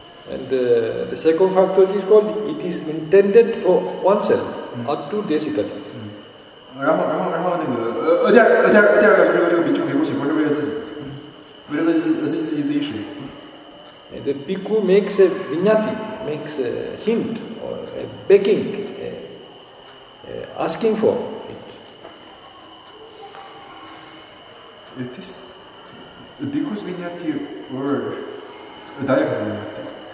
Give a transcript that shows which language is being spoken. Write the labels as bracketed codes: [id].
[en] And the second factor is called it is intended for oneself, up to desikati. [zh] 然后那个第二个要素这个不行，是为了自己，为了自己使用。 [en] And the bhikkhu makes a vinyati, makes a hint, or a begging, asking for it. Is this the bhikkhu's vinyati or Dayaka's vinyati?